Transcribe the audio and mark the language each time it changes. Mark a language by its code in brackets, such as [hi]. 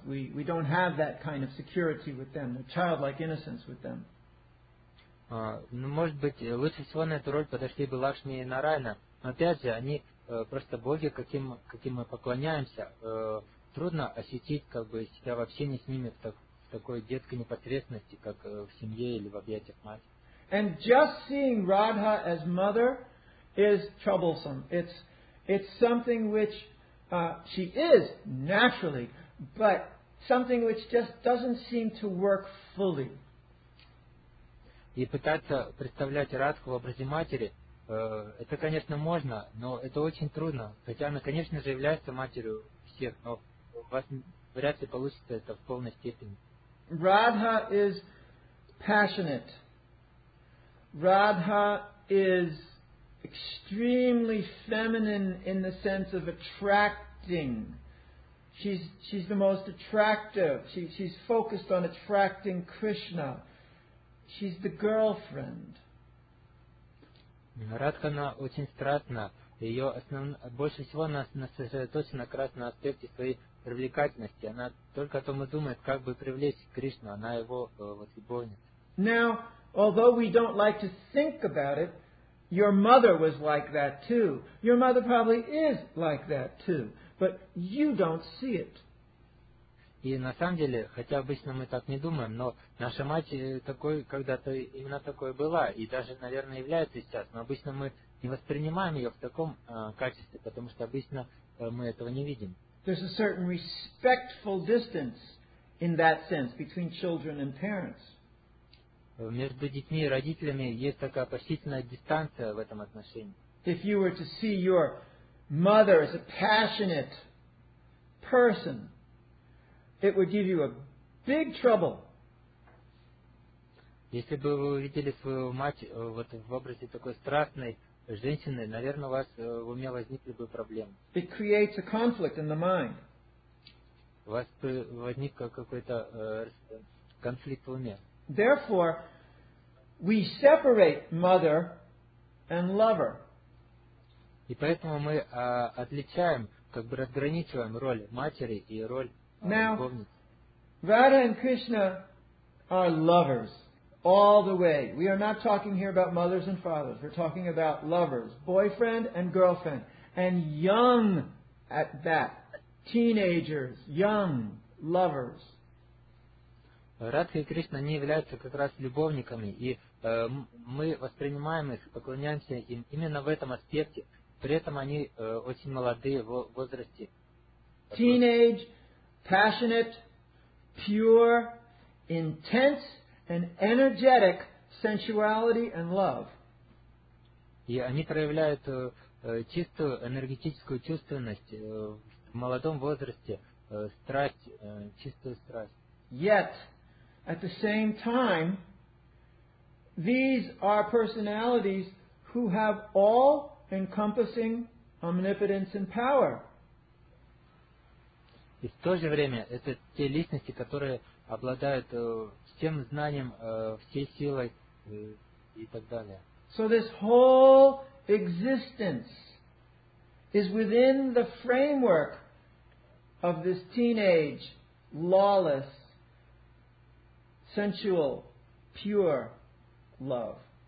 [en] We don't have that kind of security with them, the childlike innocence with them. [ru] Может быть, лучше всего на эту роль подошли бы Лакшми и Нарайна. Но опять же, они просто боги, каким мы поклоняемся. Трудно ощутить как бы себя в общении с ними в такой детской непосредственности, как в семье или в объятиях матери. [en] And just seeing Radha as mother is troublesome. It's something which she is naturally, but something which just doesn't seem to work fully. [ru] И пытаться представлять Радху в образе матери, это, конечно, можно, но это очень трудно. Хотя она, конечно же, является матерью всех, но у вас вряд ли получится это в полной степени. [en] Radha is passionate. Radha is extremely feminine in the sense of attracting. She's the most attractive. She's focused on attracting Krishna. She's the girlfriend. [ru] Radha, она очень страстна. Ее больше всего она сосредоточена как раз на аспекте своей привлекательности. Она только о том и думает, как бы привлечь Кришну. Она его вот любовница. [en] Now, although we don't like to think about it, your mother was like that too. Your mother probably is like that too, but you don't see it. [ru] И на самом деле, хотя обычно мы так не думаем, но наша мать такой когда-то именно такой была и даже, наверное, является сейчас. Но обычно мы не воспринимаем ее в таком качестве, потому что обычно мы этого не видим. [en] There's a certain respectful distance in that sense between children and parents. [ru] Между детьми и родителями есть такая почтительная дистанция в этом отношении. [en] If you were to see your mother as a passionate person, it would give you a big trouble. [ru] Если бы вы увидели свою мать вот в образе такой страстной женщины, наверное, у вас в уме возникли бы проблемы. [en] It creates a conflict in the mind. [ru] У вас бы возник какой-то конфликт в уме. [en] Therefore, we separate mother and lover. [ru] И поэтому мы отличаем, как бы разграничиваем роль матери и роль любовницы. [en] Now, Radha and Krishna are lovers all the way. We are not talking here about mothers and fathers. We're talking about lovers, boyfriend and girlfriend, and young at that, teenagers, young lovers. [ru] Радха и Кришна не являются как раз любовниками, и мы воспринимаем их, поклоняемся им именно в этом аспекте. При этом они очень молодые в возрасте. [en] Teenage, passionate, pure, intense and energetic sensuality and love. [ru] И они проявляют чистую энергетическую чувственность в молодом возрасте, страсть, чистую страсть. [en] Yet, at the same time, these are personalities who have all-encompassing omnipotence and power. [ru] И в то же время, это те личности, которые обладают всем знанием, всей силой и так далее. [en] So this whole existence is within the framework of this teenage, lawless, sensual, pure love.